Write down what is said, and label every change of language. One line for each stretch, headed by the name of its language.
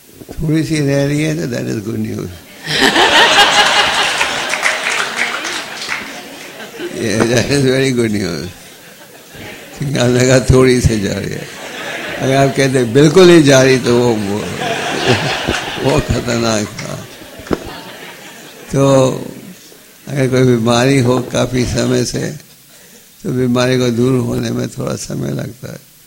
Hindi: थोड़ी सी रह रही है तो
English: That is good news. Yeah, that is very good news.
Hindi: Single लगा थोड़ी से जा रही है. अगर आप कहते बिल्कुल ही जा रही तो वो खतरनाक था. तो अगर कोई बीमारी हो काफ़ी समय से तो बीमारी को दूर होने में थोड़ा समय लगता है.